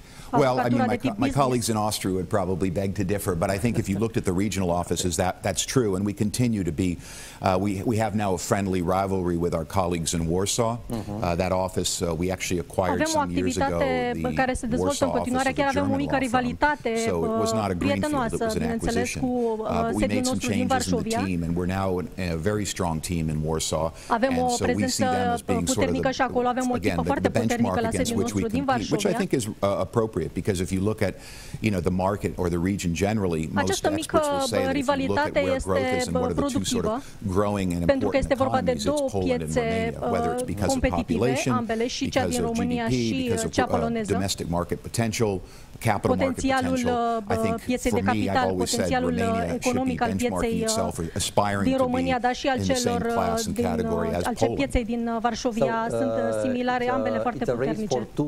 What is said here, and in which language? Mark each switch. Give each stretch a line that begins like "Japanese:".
English: Well, I mean, my colleagues in Austria would probably beg to differ, but I think if you looked at the regional offices, that's true, and we continue to be, we have now a friendly rivalry with our colleagues in Warsaw. That office we actually acquired
Romanian: avem
English: some years ago.
Romanian: Avem o activitate care se dezvoltă în continuare, chiar avem o mică rivalitate prietenoasă, bineînțeles, cu sediul nostru din Varsovia.
English: And we're now a very strong team in Warsaw.
Romanian: Avem o prezență puternică și acolo avem o echipă foarte puternică la sediul nostru din Varsovia.
English: Appropriate, because if you look at, you know, the market or the region generally, most
Romanian: Această
English: experts will say that if you look at where growth is and what are the two sort of growing and important economies, it's Poland and Romania, whether it's because of population, because of GDP, because of domestic market potential, capital
Romanian: potențialul pieței de capital, potențialul economic al pieței din România, dar și al celor al pieței din Varsovia sunt similare, ambele foarte puternice.